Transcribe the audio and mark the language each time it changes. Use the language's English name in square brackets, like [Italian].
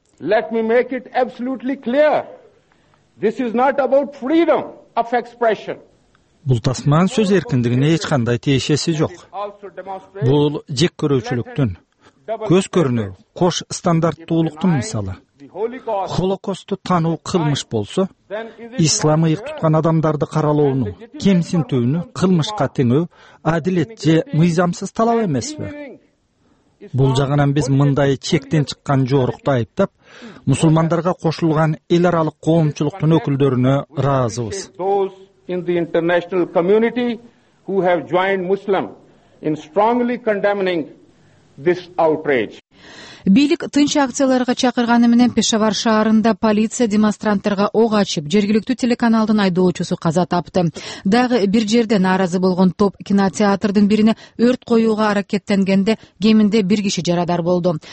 [English] Let me make it absolutely clear. This is not about freedom of expression. [Kyrgyz] Бул тасман сөз эркиндигине эч кандай тиешеси жок. Бул жек көрүүчүлүктүн, көз көрүнүү, кош стандарттуулуктун мисалы. Холокостту таануу кылмыш болсо, ислам ыйык туткан адамдарды каралоону, кемсинтүүнү кылмышка теңөө адилет же мыйзамсыз талап эмеспи? Бул жагынан биз мындай чектен чыккан жорукту айыптап, мусулмандарга кошулган эл аралык коомчулуктун өкүлдөрүнө ыраазыбыз. [English] In the international community who have joined Muslim in strongly condemning this outrage. [Kyrgyz] Бийлик тынч акцияларга чакырганы менен Пешавар шаарында полиция демонстранттарга ок ачып, жергиликтүү телеканалдын айдоочусу каза тапты. Дагы бир жерде нааразы болгон топ кинотеатрдын бирине өрт коюуга аракеттенгенде кеминде бир киши жарадар болду.